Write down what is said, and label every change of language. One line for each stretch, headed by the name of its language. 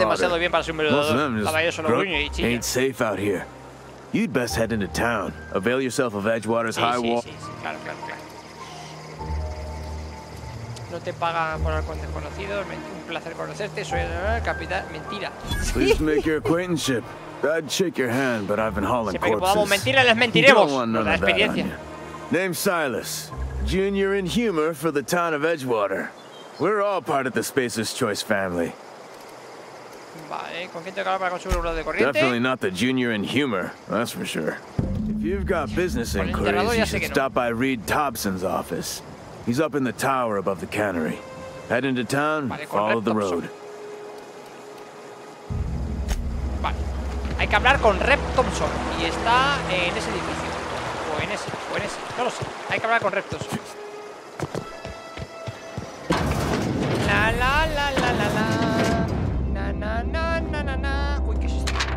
Spanish: Demasiado bien para ser un número de dos.
English: Ain't safe out here. You'd best head into town. Avail yourself of Edgewater's high wall.
Spanish: Sí, sí, sí, claro, claro, claro. No te pagan por hablar con desconocidos. Un placer conocerte. Soy el capitán. Mentira.
English: Please make your acquaintanceship. I'd shake your hand, but I've been hauling corpses.
Spanish: Siempre que podamos mentirle, les mentiremos.
English: You don't want none of that on you. Name Silas, junior in humor for the town of Edgewater. We're all part of the Spacer's Choice family.
Spanish: Vale, ¿con quién tengo que hablar para conseguir un lado de corriente?
English: Definitely not the junior in humor, that's for sure. If you've got business inquiries, you should stop by Reed Thompson's office. He's up in the tower above the cannery. Head into town, follow the road.
Spanish: Vale, hay que hablar con Rep Thompson. Y está en ese edificio. O en ese, no lo sé. Hay que hablar con Rep Thompson. La la la la la na na na na na na. Uy, ¿qué es esto?